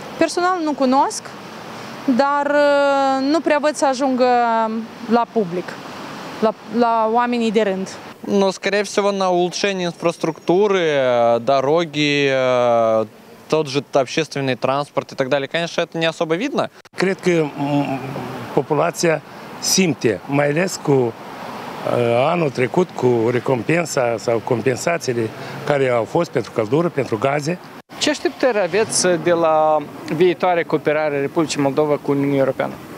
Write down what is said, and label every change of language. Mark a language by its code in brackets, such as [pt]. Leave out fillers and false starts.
[ro] Personal nu cunosc, dar nu prea văd să ajungă la public. La oamenii de rând. [ru] Но, скорее всего, на улучшение инфраструктуры, дороги, тот же общественный транспорт и так далее. Конечно, это не особо видно. [ro] Cred că populația simte, mai ales cu anul trecut, cu recompensa sau compensațiile care au fost pentru căldură, pentru gaze. Ce așteptări aveți de la viitoare cooperare Republicii Moldova cu Uniunea Europeană?